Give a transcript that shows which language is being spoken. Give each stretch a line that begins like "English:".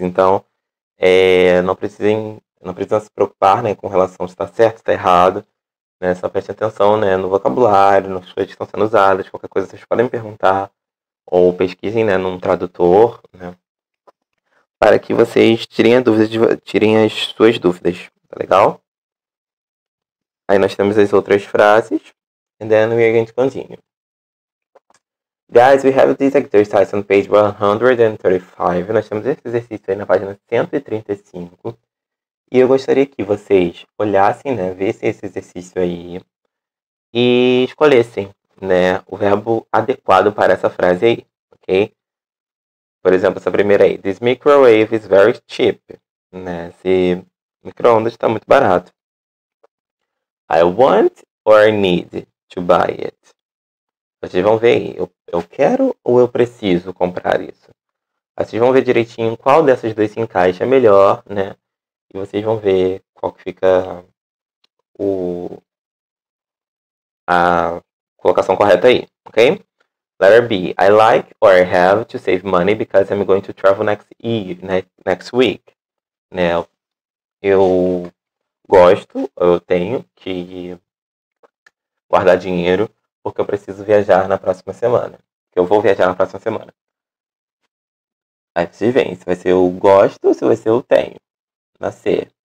Portuguese: Então, não precisam se preocupar, né, com relação se está certo, se está errado. Né, só prestem atenção, né, no vocabulário, nas coisas que estão sendo usadas, qualquer coisa vocês podem perguntar ou pesquisem, né, num tradutor, né, para que vocês tirem as suas dúvidas, tá legal? Aí nós temos as outras frases,
English: and then we are going to continue. Guys, we have this exercise on page 135.
Portuguese: Nós temos esse exercício aí na página 135. E eu gostaria que vocês olhassem, né, vissem esse exercício aí e escolhessem, né, o verbo adequado para essa frase aí, ok? Por exemplo, essa primeira aí.
English: This microwave is very cheap.
Portuguese: Né? Esse micro-ondas está muito barato.
English: I want or I need to buy it?
Portuguese: Vocês vão ver aí. Eu quero ou eu preciso comprar isso? Vocês vão ver direitinho qual dessas duas se encaixa melhor, né? E vocês vão ver qual que fica a colocação correta aí, ok?
English: Letter B. I like or I have to save money because I'm going to travel next week.
Portuguese: Né? Eu gosto, eu tenho que guardar dinheiro porque eu preciso viajar na próxima semana. Eu vou viajar na próxima semana. Aí vocês veem se vai ser eu gosto ou se vai ser eu tenho. Na C.